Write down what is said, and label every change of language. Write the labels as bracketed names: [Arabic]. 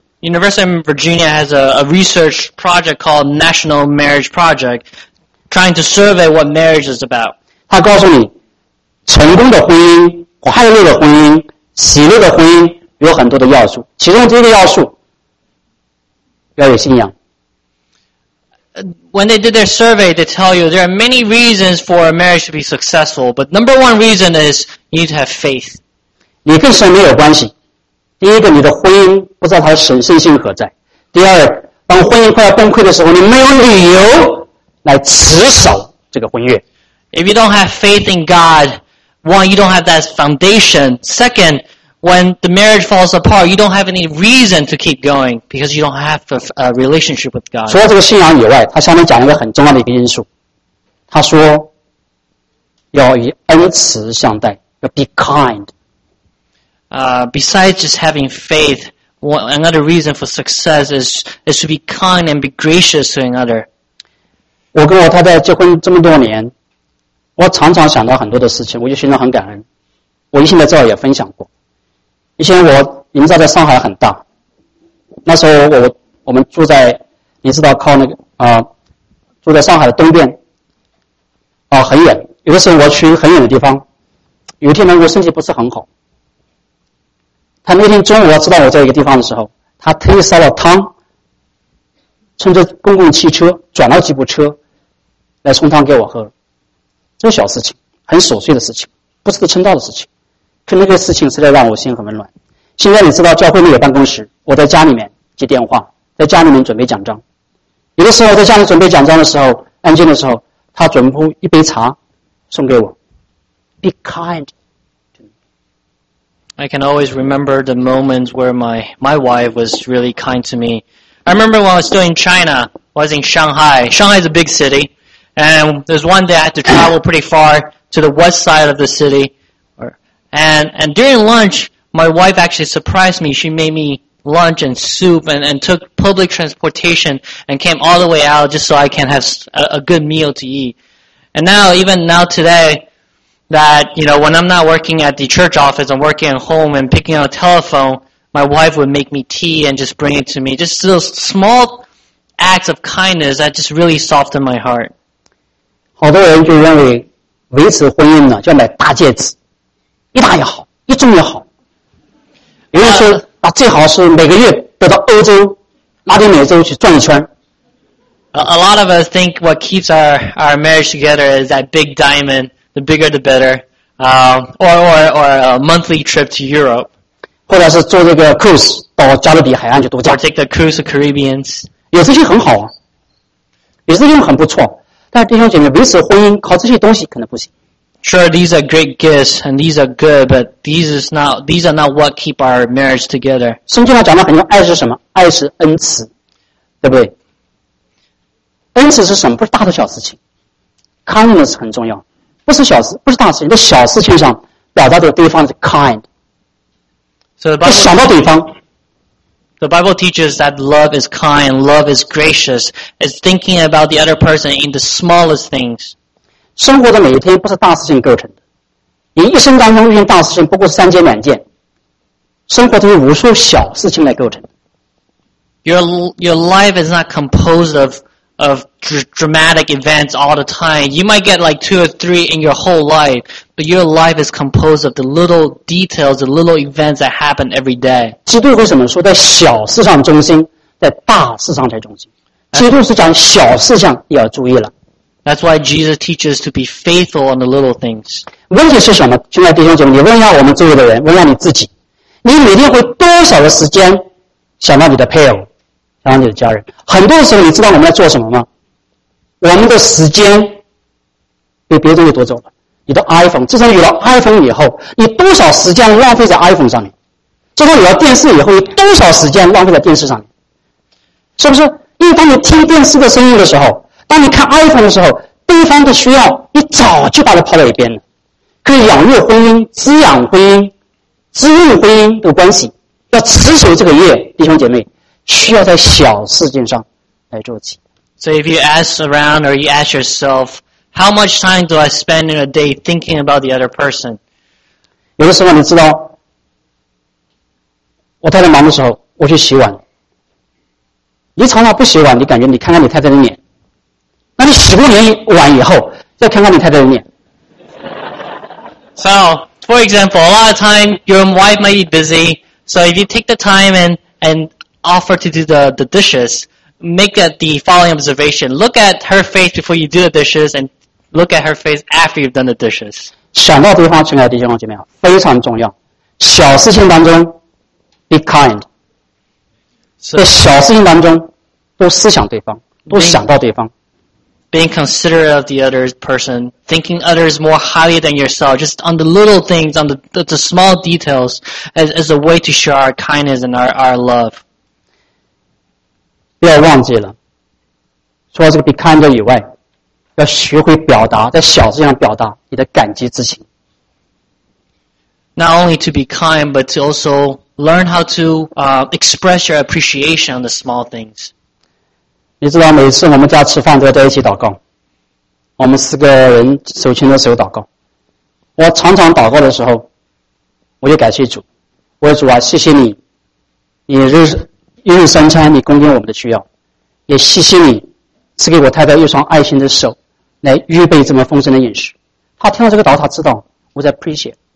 [English] University of Virginia has a research project called National Marriage Project， trying to survey what marriage is about。 [Chinese] 他告诉你，成功的婚姻、快乐的婚姻、喜乐的婚姻有很多的要素，其中第一个要素。要有信仰。 [English] When they did their survey, they tell you there are many reasons for a marriage to be successful, but number one reason is you need to have faith. [Chinese] 你跟神没有关系。第一个，你的婚姻不知道它的神圣性何在。第二，当婚姻快要崩溃的时候，你没有理由来持守这个婚约。 [English] If you don't have faith in God, one, you don't have that foundation. Second,when the marriage falls apart, you don't have any reason to keep going because you don't have a relationship with God. [Chinese] 除了这个信仰以外，他下面讲一个很重要的一个因素。他说，要以恩慈相待，要 [English] be kind. Besides just having faith, another reason for success is to be kind and be gracious to another. [Chinese] 我跟我太太结婚这么多年，我常常想到很多的事情，我就心中很感恩。我以前在这儿也分享过。以前你们知道在上海很大，那时候我们住在，你知道靠那个住在上海的东边，很远。有的时候我去很远的地方，有一天呢我身体不是很好，他那天中午要知道我在一个地方的时候，他特意烧了汤，乘着公共汽车转了几部车来送汤给我喝。这小事情，很琐碎的事情，不是个称道的事情，可那个事情实在让我心很温暖。现在你知道教会里有办公室，我在家里面接电话，在家里面准备讲章。有的时候在家里准备讲章的时候，安静的时候，他准备一杯茶送给我。 [English] Be kind. I can always remember the moments where my wife was really kind to me. I remember when I was still in China, I was in Shanghai. Shanghai is a big city. And there's one day I had to travel pretty far to the west side of the city. And during lunch, my wife actually surprised me. She made me lunch and soup and took public transportation and came all the way out just so I can have a good meal to eat. And now, even now today, that, you know, when I'm not working at the church office, I'm working at home and picking up a telephone, my wife would make me tea and just bring it to me. Just those small acts of kindness that just really softened my heart. [Chinese] 好多人就认为维持婚姻呢就要买大戒指，一大也好，一重也好。有人说啊，最好是每个月都到欧洲、拉丁美洲去转一圈。 [English] A lot of us think what keeps our marriage together is that big diamond, the bigger the better, or a monthly trip to Europe. [Chinese] 或者是坐这个 cruise 到加勒比海岸去度假。 [English] Or take the cruise to Caribbeans. [Chinese] 有这些很好啊，有这些很不错。但弟兄姐妹，维持婚姻靠这些东西可能不行。 [English] Sure, these are great gifts and these are good, but these are not what keep our marriage together. [Chinese] 圣经上讲的很多爱是什么？爱是恩慈，对不对？恩慈是什么？不是大的小事情。Kindness 很重要，不是小事，不是大事情，在小事情上表达的对方是 kind。 [English] So the Bible, [Chinese] 想到对方。 [English] The Bible teaches that love is kind, love is gracious, is thinking about the other person in the smallest things. [Chinese] 生活的每一天不是大事情构成的，你一生当中遇见大事情不过是三件两件，生活都是无数小事情来构成的。 [English] Your life is not composed of dramatic events all the time. You might get like two or three in your whole life, but your life is composed of the little details, the little events that happen every day. [Chinese] 基督为什么说在小事上忠心，在大事上才忠心？基督是讲小事上也要注意了。 [English] That's why Jesus teaches to be faithful on the little things. [Chinese] 问题是什么？亲爱的弟兄姐妹，你问一下我们周围的人，问一下你自己，你每天会多少的时间想到你的配偶？然后你的家人，很多时候你知道我们在做什么吗？我们的时间被别人给夺走了。你的 iPhone， 自从有了 iPhone 以后，你多少时间浪费在 iPhone 上面？自从有了电视以后，你多少时间浪费在电视上面？是不是？因为当你听电视的声音的时候，当你看 iPhone 的时候，对方的需要你早就把它抛到一边了。可以养育婚姻、滋养婚姻、滋润婚姻的关系，要持守这个业，弟兄姐妹。需要在小事情上来做起。 [English] So if you ask around or you ask yourself, how much time do I spend in a day thinking about the other person? [Chinese] 有的时候你知道，我太太忙的时候，我去洗碗。你常常不洗碗，你感觉你看看你太太的脸。那你洗过脸碗以后，再看看你太太的脸。 [English] So, for example, a lot of time your wife might be busy. So if you take the time and offer to do the dishes, make the following observation. Look at her face before you do the dishes and look at her face after you've done the dishes. [Chinese] 想到对方亲爱的弟兄姐妹非常重要。小事情当中 [English] be kind. [Chinese] 在小事情当中多思想对方，多想到对方。 [English] Being considerate of the other person, thinking others more highly than yourself, just on the little things, on the small details as a way to show our kindness and our love. [Chinese] 不要忘记了，除了这个 [English] be kind [Chinese] 以外，要学会表达，在小事上表达你的感激之情。 [English] Not only to be kind, but to also learn how to express your appreciation on the small things. [Chinese] 你知道每次我们家吃饭都要在一起祷告，我们四个人手牵着手祷告。我常常祷告的时候，我就感谢主，我说主啊，谢谢你，你就是。一日三餐你供应我们的需要，也谢谢你赐给我太太一双爱心的手来预备这么丰盛的饮食。他听到这个祷告，他知道我在 appreciate。